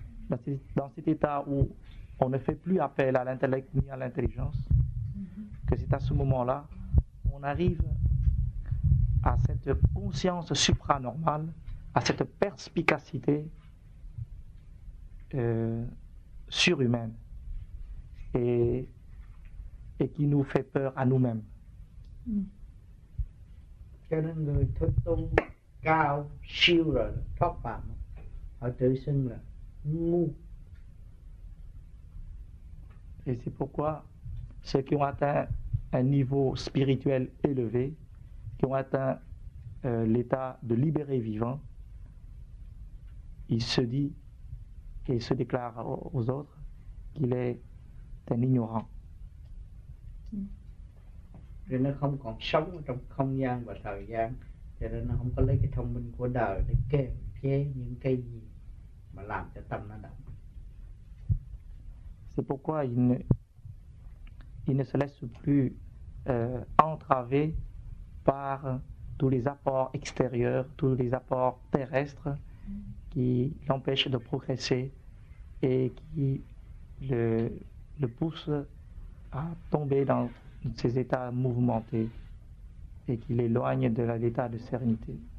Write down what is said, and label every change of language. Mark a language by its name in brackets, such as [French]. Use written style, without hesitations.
[French] dans cet état où on ne fait plus appel à l'intellect ni à l'intelligence, que c'est à ce moment-là qu'on arrive à cette conscience supranormale, à cette perspicacité surhumaine et qui nous fait peur à nous-mêmes. [Vietnamese] Cho nên người thức tung cao siêu rồi thoát phạm họ tự xưng là ngu. [French] Et c'est pourquoi ceux qui ont atteint un niveau spirituel élevé, qui ont atteint l'état de libéré vivant, ils se disent et se déclare aux autres qu'il est un ignorant. [Vietnamese] Rồi nó không còn sống trong không gian và thời gian, cho nên nó không có lấy cái thông minh của đời để kiềm chế những cái gì mà làm cho tâm nó động. [French] C'est pourquoi il ne se laisse plus entraver par tous les apports extérieurs, tous les apports terrestres qui l'empêchent de progresser et qui le pousse à tomber dans ses états mouvementés et qui l'éloigne de l'état de sérénité.